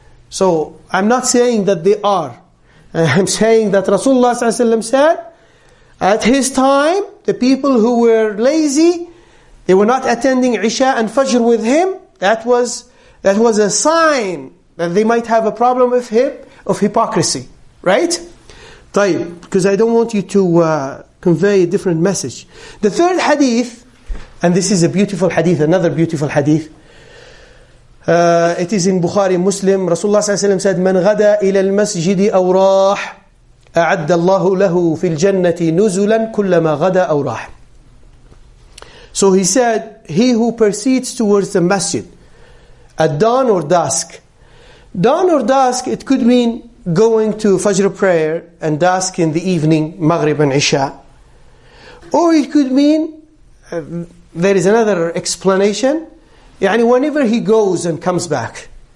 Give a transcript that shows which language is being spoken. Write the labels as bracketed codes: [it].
[en] So I'm not saying that they are. I'm saying that Rasulullah sallallahu alaihi wasallam said, at his time, the people who were lazy, they were not attending Isha and Fajr with him, that was a sign that they might have a problem with him, of hypocrisy, right? [ar] طيب, [en] because I don't want you to convey a different message. The third hadith, and this is a beautiful hadith, another beautiful hadith. It is in Bukhari Muslim. [ar] Rasulullah صلى الله عليه وسلم [en] said, [ar] من غدا إلى المسجد أو راح أعد الله له في الجنة نزلا كلما غدا أو راح. [en] So he said, he who proceeds towards the masjid at dawn or dusk. Dawn or dusk, it could mean going to Fajr prayer and dusk in the evening, Maghrib and Isha. Or it could mean, there is another explanation, [ar] يعني [en] whenever he goes and comes back.